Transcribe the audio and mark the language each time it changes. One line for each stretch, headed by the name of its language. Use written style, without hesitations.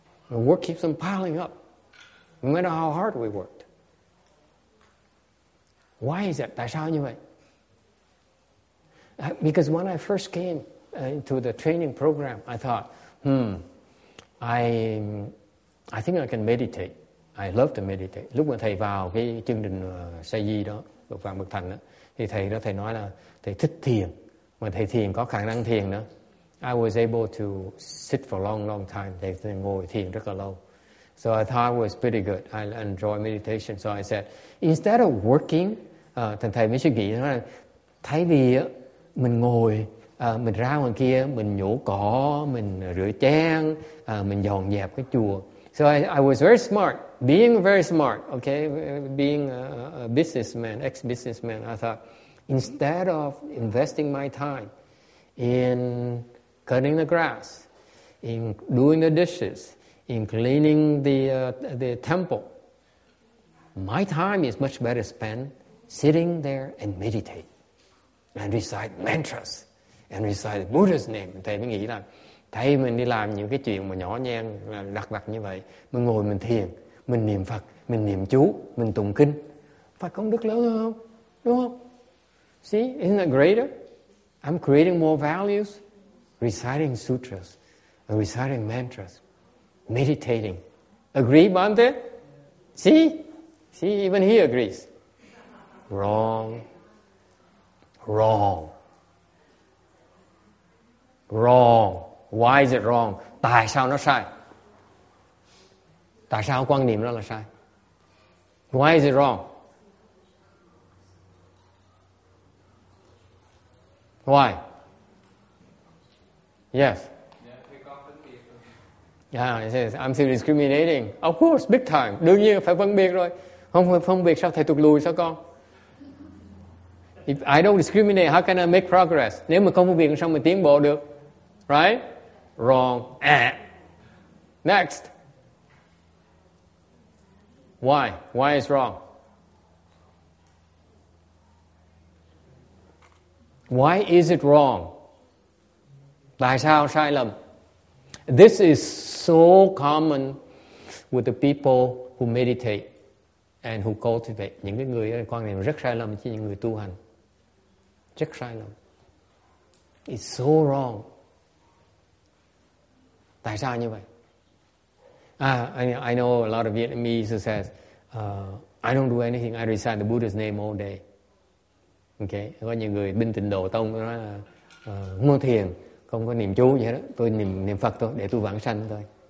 English: And work keeps on piling up, no matter how hard we worked. Why is that?
Vietnamese: Tại sao như vậy?
English: Because when I first came into the training program, I thought, I think I can meditate. I love to meditate.
Vietnamese: Lúc mà thầy vào cái chương trình Sa Di đó, Lục Vàng Bậc Thành đó, thì thầy đó thầy nói là thầy thích thiền, mà thầy thiền có khả năng thiền đó.
English: I was able to sit for a long, long time.
Vietnamese: Thầy ngồi thiền rất là lâu.
English: So I thought it was pretty good. I enjoy meditation. So I said, instead of working,
Vietnamese: thầy mới suy nghĩ là thay vì mình ngồi, mình ra ngoài kia, mình nhổ cỏ, mình rửa chén, mình dọn dẹp cái chùa.
English: So I was very smart, being very smart, okay, being a businessman, ex-businessman, I thought, instead of investing my time in cutting the grass, in doing the dishes, in cleaning the temple, my time is much better spent sitting there and meditate and recite mantras and recite Buddha's name.
Vietnamese: Thầy mới nghĩ là thầy mình đi làm những cái chuyện mà nhỏ nhen, lặt vặt như vậy, mình ngồi mình thiền, mình niệm Phật, mình niệm chú, mình tụng kinh, phải công đức lớn hơn không? Đúng không?
English: See, isn't that greater? I'm creating more values. Reciting sutras, reciting mantras, meditating. Agree, Bhante? See? See, even he agrees. Wrong. Wrong. Wrong. Why is it wrong?
Vietnamese: Tại sao nó sai? Tại sao quan điểm đó là sai?
English: Why is it wrong? Why? Yes. Yeah, take off the yeah, he says, I'm still discriminating. Of course, big time.
Vietnamese: Đương nhiên phải phân biệt rồi. Không phân biệt sao thầy tụt lùi sao con?
English: If I don't discriminate, how can I make progress?
Vietnamese: Nếu mà không phân biệt sao mà tiến bộ được?
English: Right? Wrong. Next. Why? Why is wrong? Why is it wrong?
Vietnamese: Tại sao sai lầm?
English: This is so common with the people who meditate and who cultivate.
Vietnamese: Những cái người quan niệm rất sai lầm chứ những người tu hành. Rất sai lầm.
English: It's so wrong.
Vietnamese: Tại sao như vậy?
English: I know a lot of Vietnamese who says, I don't do anything, I recite the Buddha's name all day. Okay?
Vietnamese: Có những người bên Tịnh Độ Tông nói là muốn thiền, không có niệm chú gì hết, tôi niệm Phật thôi, để tu vãng sanh thôi.